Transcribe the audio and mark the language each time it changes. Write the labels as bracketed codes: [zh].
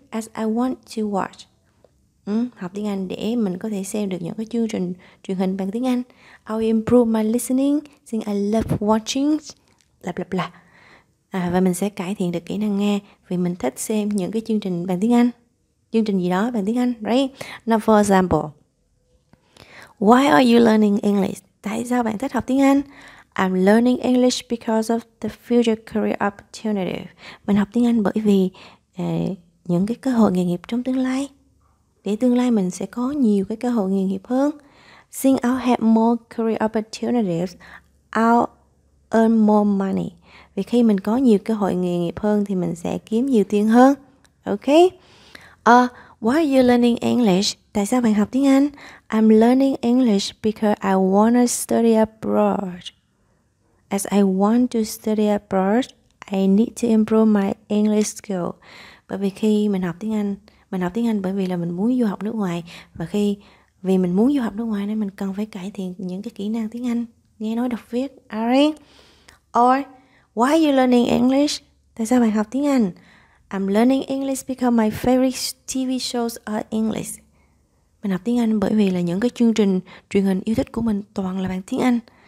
[en] As I want to watch. [vi] Học tiếng Anh để mình có thể xem được những cái chương trình truyền hình bằng tiếng Anh. [en] I'll improve my listening since I love watching. Blah blah blah. [vi] Và mình sẽ cải thiện được kỹ năng nghe vì mình thích xem những cái chương trình bằng tiếng Anh. Chương trình gì đó bằng tiếng Anh, right? [en] Now for example, why are you learning English? [vi] Tại sao bạn thích học tiếng Anh? [en] I'm learning English because of the future career opportunity. [vi] Mình học tiếng Anh bởi vì những cái cơ hội nghề nghiệp trong tương lai. Để tương lai mình sẽ có nhiều cái cơ hội nghề nghiệp hơn. [en] Since I'll have more career opportunities, I'll earn more money. [vi] Vì khi mình có nhiều cơ hội nghề nghiệp hơn thì mình sẽ kiếm nhiều tiền hơn. Ok? [en] Why are you learning English? [vi] Tại sao bạn học tiếng Anh? [en] I'm learning English because I want to study abroad. As I want to study abroad, I need to improve my English skill. [vi] Bởi vì khi mình học tiếng Anh bởi vì là mình muốn du học nước ngoài. Và khi vì mình muốn du học nước ngoài nên mình cần phải cải thiện những cái kỹ năng tiếng Anh, nghe nói đọc viết. [en] Or why are you learning English? [vi] Tại sao bạn học tiếng Anh? [en] I'm learning English because my favorite TV shows are English. [vi] Mình học tiếng Anh bởi vì là những cái chương trình truyền hình yêu thích của mình toàn là bằng tiếng Anh.